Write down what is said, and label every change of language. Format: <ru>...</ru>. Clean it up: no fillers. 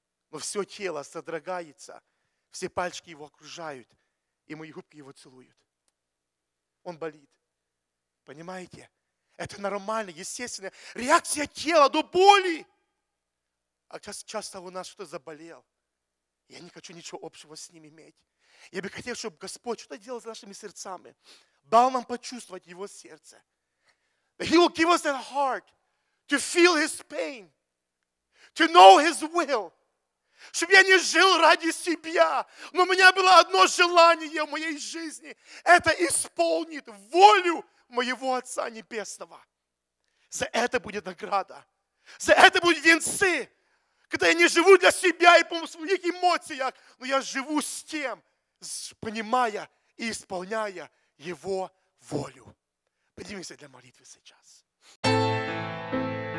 <ru>Но все тело содрогается, все пальчики его окружают, и мои губки его целуют. Он болит. Понимаете? Это нормально, естественно. Реакция тела до боли. А часто у нас что-то заболел. Я не хочу ничего общего с ним иметь. Я бы хотел, чтобы Господь что-то делал с нашими сердцами. Дал нам почувствовать его сердце.</ru> <en>He will give us that heart to feel his pain, to know his will.</en> <ru>Чтобы я не жил ради себя, но у меня было одно желание в моей жизни. Это исполнит волю моего Отца Небесного. За это будет награда. За это будут венцы. Когда я не живу для себя и по своих эмоциях, но я живу с тем, понимая и исполняя его волю. Поднимемся для молитвы сейчас.</ru>